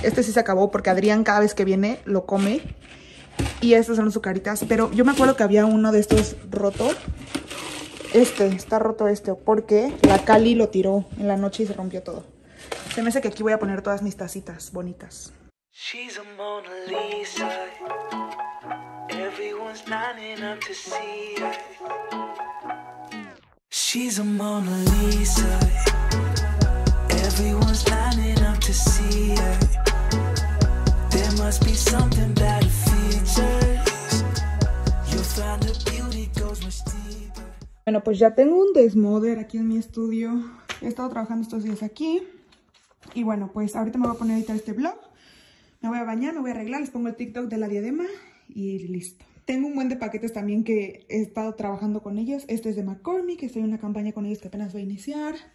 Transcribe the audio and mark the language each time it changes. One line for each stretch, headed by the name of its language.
Spanish: Este sí se acabó porque Adrián cada vez que viene lo come, y estas son las sucaritas, pero yo me acuerdo que había uno de estos roto. Este, está roto este, porque la Cali lo tiró en la noche y se rompió todo. Se me hace que aquí voy a poner todas mis tacitas bonitas.
English: She's a Mona Lisa. Everyone's lining up to see her. She's a Mona Lisa. Everyone's lining up to see her. There must be something that features. You'll find the beauty goes much deeper.
Spanish: Bueno, pues ya tengo un desmoder aquí en mi estudio. He estado trabajando estos días aquí. Y bueno, pues ahorita me voy a poner a editar este vlog. Me voy a bañar, me voy a arreglar, les pongo el TikTok de la diadema y listo. Tengo un buen de paquetes también que he estado trabajando con ellos. Este es de McCormick, estoy en una campaña con ellos que apenas voy a iniciar.